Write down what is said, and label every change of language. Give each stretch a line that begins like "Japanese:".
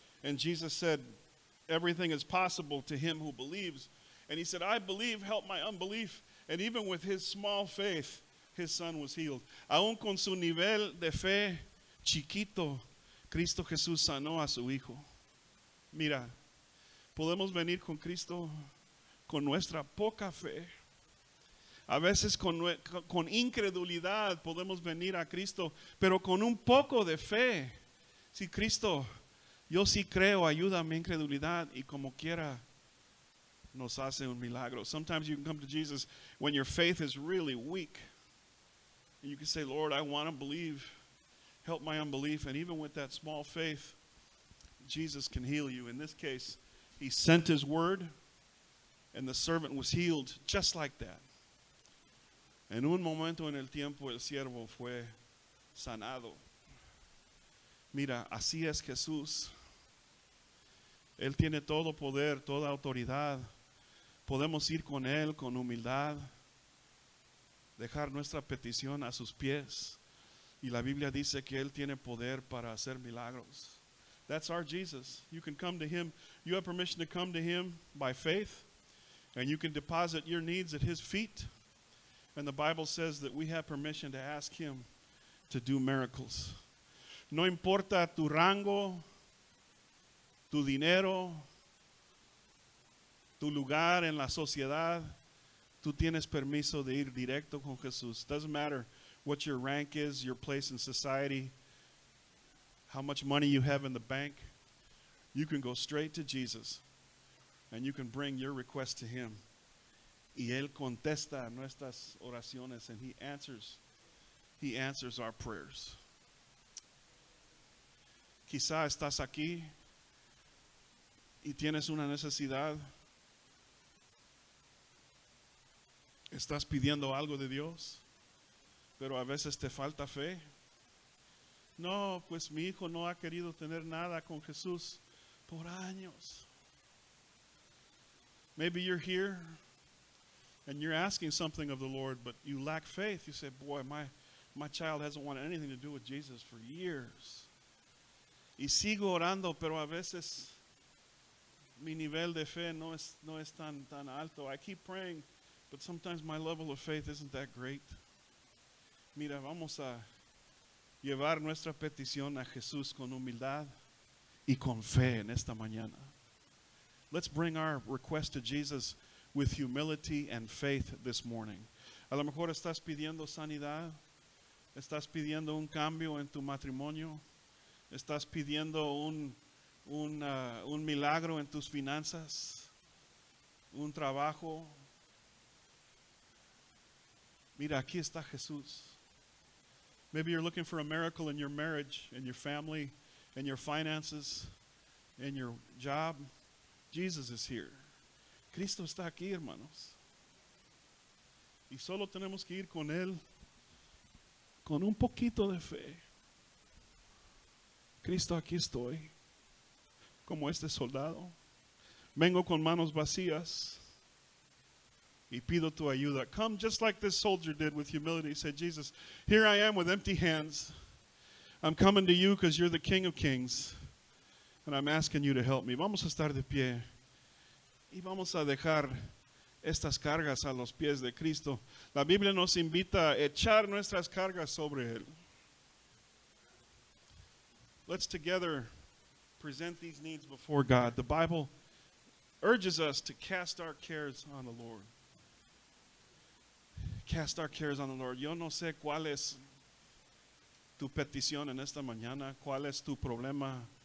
English: And Jesus said, everything is possible to him who believes. And he said, I believe, help my unbelief. And even with his small faith, his son was healed.
Spanish: Aún con su nivel de fe chiquito, Cristo Jesús sanó a su hijo. Mira, podemos venir con Cristo con nuestra poca fe. A veces con incredulidad podemos venir a Cristo, pero con un poco de fe. Si Cristo, yo sí creo, ayuda a mi incredulidad, y como quiera nos hace un milagro.
English: Sometimes you can come to Jesus when your faith is really weak. And you can say, Lord, I want to believe. Help my unbelief. And even with that small faith, Jesus can heal you. In this case, he sent his word and the servant was healed just like that.
Spanish: En un momento en el tiempo, el siervo fue sanado. Mira, así es Jesús. Él tiene todo poder, toda autoridad. Podemos ir con él con humildad, dejar nuestra petición a sus pies. Y la Biblia dice que él tiene poder para hacer milagros.
English: That's our Jesus. You can come to him. You have permission to come to him by faith. And you can deposit your needs at his feet. And the Bible says that we have permission to ask him to do miracles.
Spanish: No importa tu rango, tu dinero, tu lugar en la sociedad, tú tienes permiso de ir directo con Jesús.
English: Doesn't matter what your rank is, your place in society, how much money you have in the bank, you can go straight to Jesus and you can bring your request to him.
Spanish: Y él contesta nuestras oraciones,
English: and he answers our prayers.
Spanish: Quizá estás aquí y tienes una necesidad. Estás pidiendo algo de Dios, pero a veces te falta fe. No, pues mi hijo no ha querido tener nada con Jesús por años.
English: Maybe you're here and you're asking something of the Lord, but you lack faith. You say, boy, my child hasn't wanted anything to do with Jesus for years.
Spanish: Y sigo orando, pero a veces mi nivel de fe no es tan alto.
English: I keep praying, but sometimes my level of faith isn't that great.
Spanish: Mira, vamos a llevar nuestra petición a Jesús con humildad y con fe en esta mañana.
English: Let's bring our request to Jesus with humility and faith this morning.
Spanish: A lo mejor estás pidiendo sanidad, estás pidiendo un cambio en tu matrimonio, estás pidiendo un milagro en tus finanzas, un trabajo. Mira, aquí está Jesús.
English: Maybe you're looking for a miracle in your marriage, in your family, in your finances, in your job. Jesus is here.
Spanish: Cristo está aquí, hermanos. Y solo tenemos que ir con él con un poquito de fe. Cristo, aquí estoy. Como este soldado. Vengo con manos vacías. Y pido tu ayuda.
English: Come just like this soldier did with humility. He said, Jesus, here I am with empty hands. I'm coming to you because you're the King of Kings. And I'm asking you to help me.
Spanish: Vamos a estar de pie. Y vamos a dejar estas cargas a los pies de Cristo. La Biblia nos invita a echar nuestras cargas sobre él.
English: Let's together present these needs before God. The Bible urges us to cast our cares on the Lord. Cast our cares on the Lord.
Spanish: Yo no sé cuál es tu petición en esta mañana, cuál es tu problema.